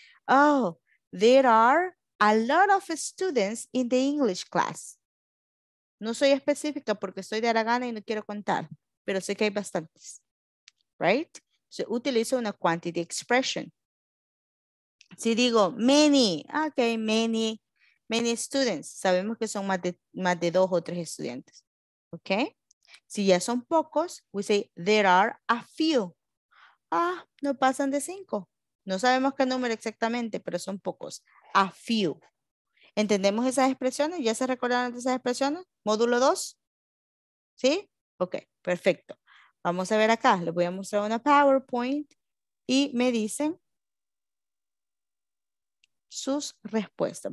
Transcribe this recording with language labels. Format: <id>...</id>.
<en>Oh, there are a lot of students in the English class.</en> <es>No soy específica porque soy de Aragana y no quiero contar, pero sé que hay bastantes.</es> <en>Right?</en> <es>So, utilizo una</es> <en>quantity expression.</en> <es>Si digo</es> <en>many, okay, many students.</en> <es>Sabemos que son más de dos o tres estudiantes.</es> <en>Okay?</en> <es>Si ya son pocos,</es> <en>we say there are a few.</en> <es>Ah, no pasan de 5. No sabemos qué número exactamente, pero son pocos.</es> <en>A few.</en> <es>¿Entendemos esas expresiones? ¿Ya se recordaron de esas expresiones? Módulo 2. ¿Sí? Ok, perfecto. Vamos a ver acá. Les voy a mostrar una PowerPoint y me dicen sus respuestas.</es>